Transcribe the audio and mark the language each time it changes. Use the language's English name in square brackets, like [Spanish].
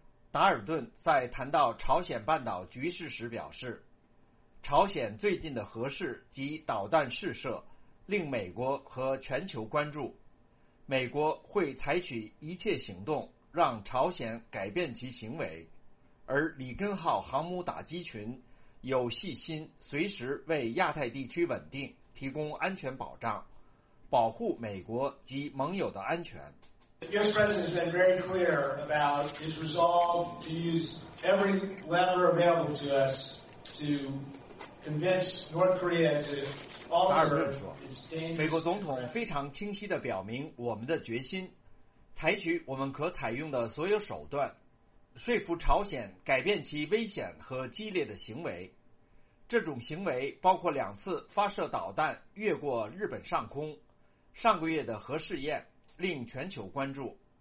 [Chinese] 达尔顿在谈到朝鲜半岛局势时表示，朝鲜最近的核试及导弹试射令美国和全球关注，美国会采取一切行动让朝鲜改变其行为，而里根号航母打击群有细心随时为亚太地区稳定提供安全保障，保护美国及盟友的安全。 [English] The US President has been very clear about his resolve to use every lever available to us to convince North Korea to [Chinese] 达尔顿说，美国总统非常清晰地表明我们的决心，采取我们可采用的所有手段说服朝鲜改变其危险和激烈的行为。这种行为包括两次发射导弹越过日本上空，上个月的核试验令全球关注。